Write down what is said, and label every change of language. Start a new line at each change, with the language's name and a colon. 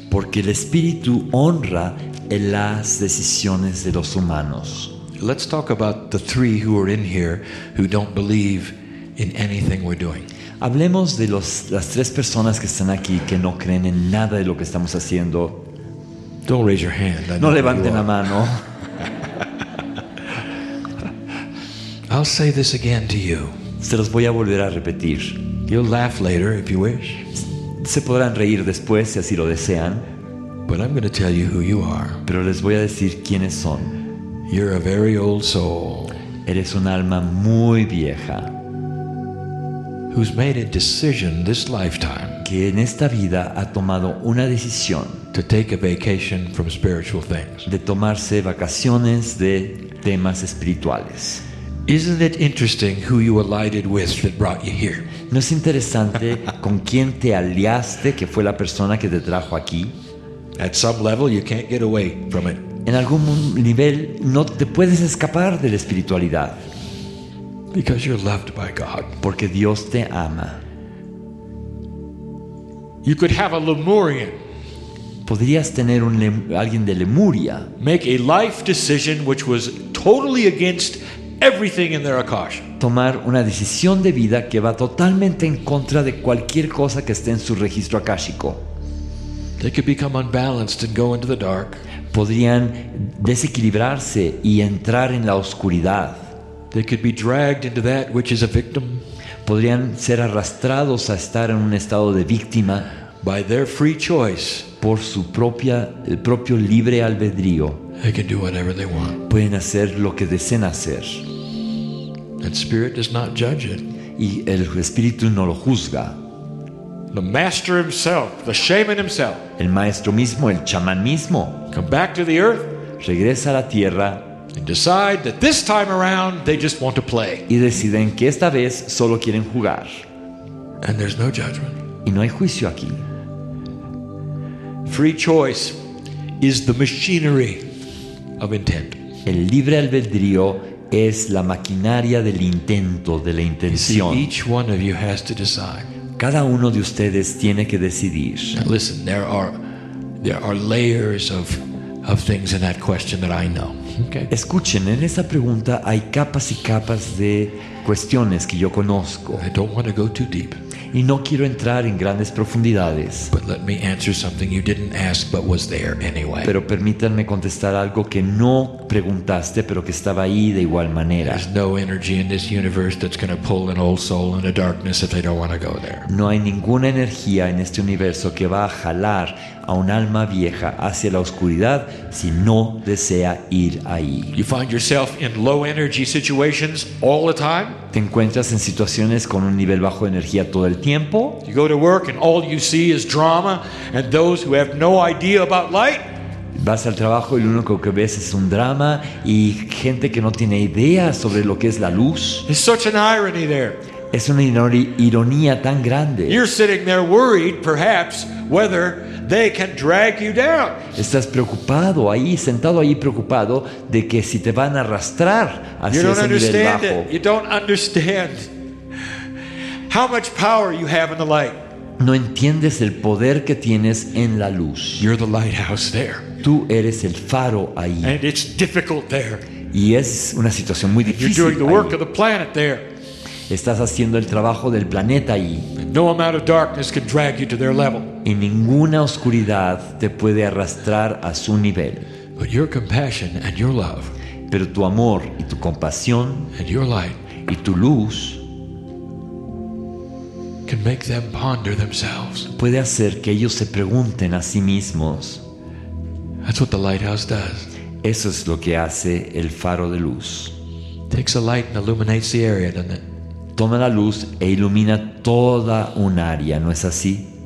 Spanish: Porque el espíritu honra en las decisiones de los humanos.
English: Let's talk about the three who are in here who don't believe in anything we're doing.
Spanish: Hablemos de las tres personas que están aquí que no creen en nada de lo que estamos haciendo.
English: Don't raise your hand.
Spanish: No levanten la mano.
English: I'll say this again to you.
Spanish: Se los voy a volver a repetir.
English: You'll laugh later if you wish.
Spanish: Se podrán reír después si así lo desean.
English: But I'm going to tell you who you are.
Spanish: Pero les voy a decir quiénes son.
English: You're a very old soul.
Spanish: Eres un alma muy vieja.
English: Who's made a decision this lifetime?
Spanish: Que en esta vida ha tomado una decisión.
English: To take a vacation from spiritual things.
Spanish: De tomarse vacaciones de temas espirituales.
English: Isn't it interesting who you alighted with that brought you here?
Spanish: ¿No es interesante con quién te aliaste que fue la persona que te trajo aquí?
English: At some level, you can't get away from it.
Spanish: En algún nivel no te puedes escapar de la espiritualidad.
English: Because you're loved by God.
Spanish: Porque Dios te ama.
English: You could have a Lemurian.
Spanish: Podrías tener alguien de Lemuria.
English: Make a life decision which was totally against everything in their Akash.
Spanish: Tomar una decisión de vida que va totalmente en contra de cualquier cosa que esté en su registro akáshico.
English: They could become unbalanced and go into the dark.
Spanish: Podrían desequilibrarse y entrar en la oscuridad.
English: They could be dragged into that which is a victim.
Spanish: Podrían ser arrastrados a estar en un estado de víctima.
English: By their free choice.
Spanish: Por su propio libre albedrío.
English: They can do whatever they want.
Spanish: Pueden hacer lo que deseen hacer.
English: And spirit does not judge it.
Spanish: Y el espíritu no lo juzga.
English: The master himself, the shaman himself.
Spanish: El maestro mismo, el chamán mismo.
English: Come back to the earth.
Spanish: Regresa a la tierra.
English: And decide that this time around they just want to play.
Spanish: Y deciden que esta vez solo quieren jugar.
English: And there's no judgment.
Spanish: Y no hay juicio aquí.
English: Free choice is the machinery of intent.
Spanish: El libre albedrío es la maquinaria del intento, de la intención.
English: You see, each one of you has to decide.
Spanish: Cada uno de ustedes tiene que decidir.
English: Now listen, there are layers of things in that question that I know. Okay.
Spanish: Escuchen, en esa pregunta hay capas y capas de cuestiones que yo conozco.
English: I don't want to go too deep.
Spanish: Y no quiero entrar en grandes profundidades.
English: But let me answer something you didn't ask, but was there anyway.
Spanish: Pero permítanme contestar algo que no preguntaste, pero que estaba ahí de igual manera.
English: There's no energy in this universe that's going to pull an old soul into darkness if they don't want to go there.
Spanish: No hay ninguna energía en este universo que va a jalar a un alma vieja hacia la oscuridad si no desea ir ahí.
English: You find yourself in low energy situations all the time.
Spanish: Te encuentras en situaciones con un nivel bajo de energía todo el tiempo.
English: You go to work and all you see is drama and those who have no idea about light.
Spanish: Vas al trabajo y lo único que ves es un drama y gente que no tiene idea sobre lo que es la luz.
English: It's such an irony there.
Spanish: Es una ironía tan grande.
English: You're sitting there worried, perhaps, whether they can drag you down.
Spanish: Estás preocupado ahí, sentado ahí preocupado de que si te van a arrastrar hacia ese nivel bajo.
English: You don't understand how much power you have in the light.
Spanish: No entiendes el poder que tienes en la luz.
English: You're the lighthouse there.
Spanish: Tú eres el faro ahí.
English: And it's difficult there.
Spanish: Y es una situación muy difícil.
English: You're doing the work of the planet there.
Spanish: Estás haciendo el trabajo del planeta ahí.
English: No amount of darkness can drag you to their level.
Spanish: Y ninguna oscuridad te puede arrastrar a su nivel.
English: But your compassion and your love,
Spanish: pero tu amor y tu compasión
English: and your light,
Spanish: y tu luz
English: can make them ponder themselves.
Spanish: Puede hacer que ellos se pregunten a sí mismos.
English: That's what the lighthouse does.
Spanish: Eso es lo que hace el faro de luz.
English: Takes a light and illuminates the area, doesn't it?
Spanish: Toma la luz e ilumina toda un área, ¿no es así?